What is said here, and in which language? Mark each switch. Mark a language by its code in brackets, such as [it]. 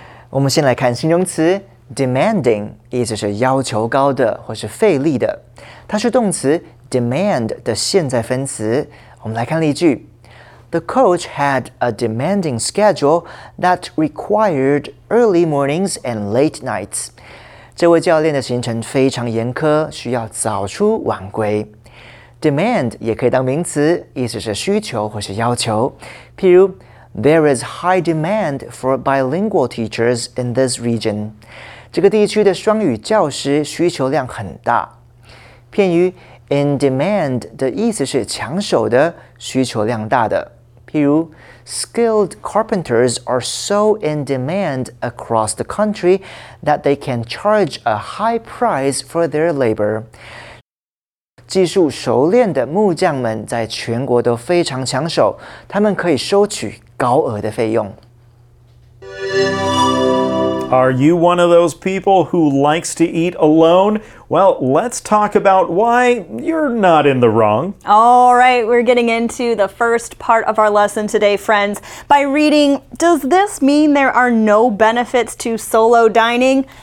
[zh] 我们先来看形容词。Demanding 意思是要求高的或是费力的，它是动词 demand 的现在分词。我们来看例句 [en] ：The coach had a demanding schedule that required early mornings and late nights. [zh] 这位教练的行程非常严苛，需要早出晚归。 Demand 也可以当名词，意思是需求或是要求。譬如 [en] ，There is high demand for bilingual teachers in this region. [zh] 这个地区的双语教师需求量很大。片语 in demand 的意思是抢手的，需求量大的。譬如 [en] skilled carpenters are so in demand across the country that they can charge a high price for their labor. [zh] 技术熟练的木匠们在全国都非常抢手，他们可以收取高额的费用。 [en] Are you one of those people who likes to eat alone? Well, let's talk about why you're not in the wrong. All right, we're getting into the first part of our lesson today, friends, by reading, does this mean there are no benefits to solo dining?